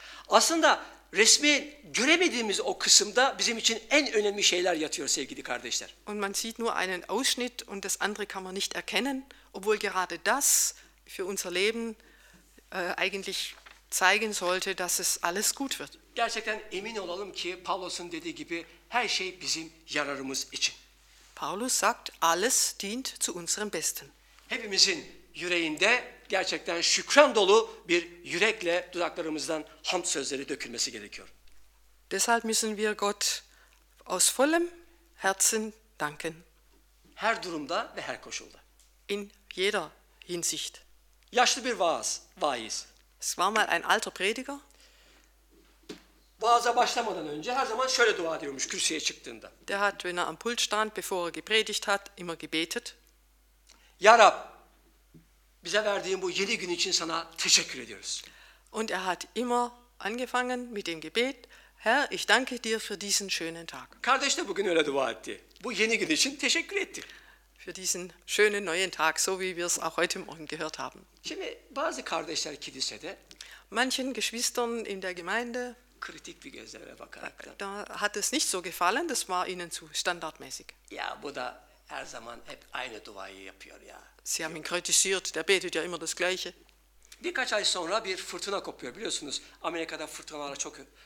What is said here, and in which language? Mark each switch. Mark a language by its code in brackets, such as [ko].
[tr] Aslında resmi göremediğimiz o kısımda bizim için en önemli şeyler yatıyor sevgili kardeşler. [de] Und man sieht nur einen Ausschnitt und das andere kann man nicht erkennen, obwohl gerade das für unser Leben eigentlich zeigen sollte, dass es alles gut wird. [tr] Gerçekten emin olalım ki Paulus'un dediği gibi her şey bizim yararımız için. [de] Paulus sagt, alles dient zu unserem Besten. [tr] Hepimizin yüreğinde gerçekten şükran dolu bir yürekle dudaklarımızdan hamd sözleri dökülmesi gerekiyor. [de] Deshalb müssen wir Gott aus vollem Herzen danken. [tr] Her durumda ve her koşulda. [de] In jeder Hinsicht. [tr] Yaşlı bir vaaz, vaiz. [de] Es war mal ein alter Prediger. [tr] Vaaza başlamadan önce her zaman şöyle dua ediyormuş kürsüye çıktığında. [de] Der hat, wenn er am Pult stand, bevor er gepredigt hat, immer gebetet. [tr] Ya Rab, bize verdiğin bu yedi gün için sana teşekkür ediyoruz. [de] Und er hat immer angefangen mit dem Gebet, Herr, ich danke dir für diesen schönen Tag. [tr] Kardeş de bugün öyle dua etti. Bu yeni gün için teşekkür etti. [de] Für diesen schönen neuen Tag, so wie wir es auch heute Morgen gehört haben. [tr] Şimdi bazı kardeşler kilisede, [de] manchen Geschwistern in der Gemeinde, [tr] kritik bir gözlere bakarak [de] da hat es nicht so gefallen, das war ihnen zu standardmäßig. [tr] Ja, bu da her zaman hep aynı duayı yapıyor ja. [de] Sie haben ihn kritisiert, der betet ja immer das Gleiche. [tr] Birkaç ay sonra bir fırtına kopuyor, biliyorsunuz. Amerika'da fırtınalar çok...